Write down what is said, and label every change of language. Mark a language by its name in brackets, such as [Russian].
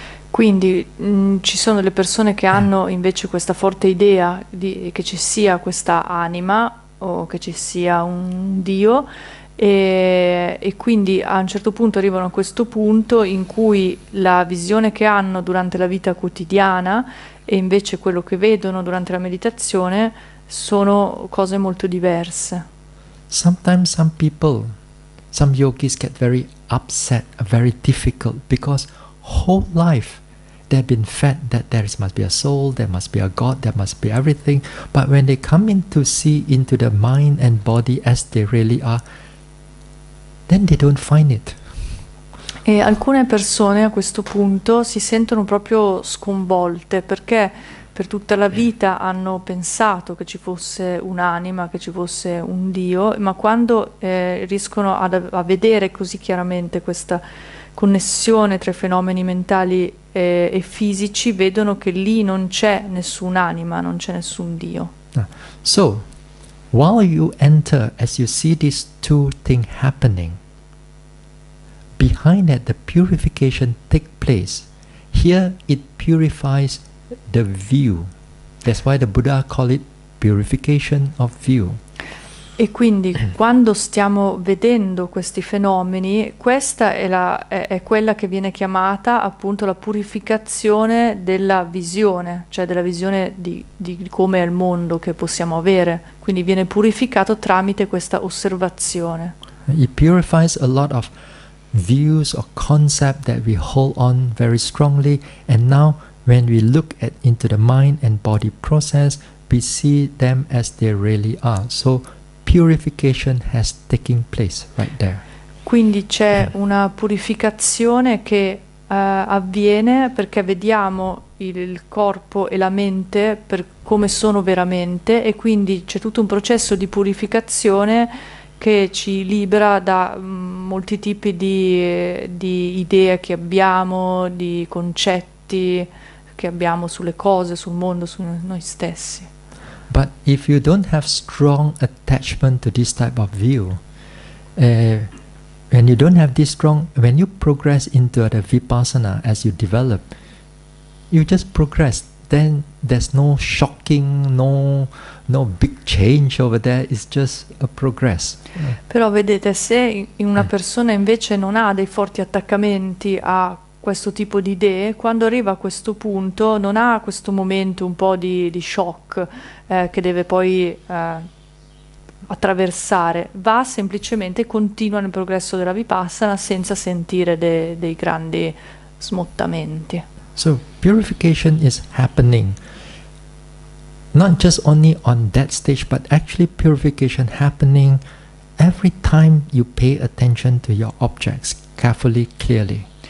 [Italian] Quindi ci sono le persone che hanno invece questa forte idea di che ci sia questa anima o che ci sia un dio, e quindi a un certo punto arrivano a questo punto in cui la visione che hanno durante la vita quotidiana e invece quello che vedono durante la meditazione sono cose molto diverse. [English] Sometimes some people, some yogis get very upset, very difficult, because whole life they've been fed that there must be a soul, there must be a God, there must be everything. But when they come in to see into the mind and body as they really are, then they don't find it. [Italian] E alcune persone a questo punto si sentono proprio sconvolte, perché per tutta la vita hanno pensato che ci fosse un'anima, che ci fosse un Dio, ma quando riescono a vedere così chiaramente questa connessione tra i fenomeni mentali e fisici, vedono che lì non c'è nessun'anima, non c'è nessun Dio. [English] So, while you enter, as you see these two things happening, behind that the purification takes place. Here it purifies the view. That's why the Buddha call it purification of view. [Italian] E quindi quando stiamo vedendo questi fenomeni, questa è quella che viene chiamata appunto la purificazione della visione, cioè della visione di come è il mondo che possiamo avere. Quindi viene purificato tramite questa osservazione. [English] It purifies a lot of views or concept that we hold on very strongly, and now when we look at into the mind and body process, we see them as they really are. So purification has taken place right there. [Italian] Quindi c'è una purificazione che avviene perché vediamo il corpo e la mente per come sono veramente, e quindi c'è tutto un processo di purificazione che ci libera da molti tipi di idee che abbiamo, di concetti che abbiamo sulle cose, sul mondo, su noi stessi. [English] But if you don't have strong attachment to this type of view, when you don't have this strong, when you progress into the Vipassana as you develop, you just progress. Then there's no shocking, no big change over there, it's just a progress. [Italian] Però vedete, se una persona invece non ha dei forti attaccamenti a questo tipo di idee, quando arriva a questo punto non ha questo momento un po' di shock che deve poi attraversare, va semplicemente, continua nel progresso della Vipassana senza sentire dei grandi smottamenti. [English] So purification is happening not just only on that stage, but actually purification happening every time you pay attention to your objects carefully, clearly.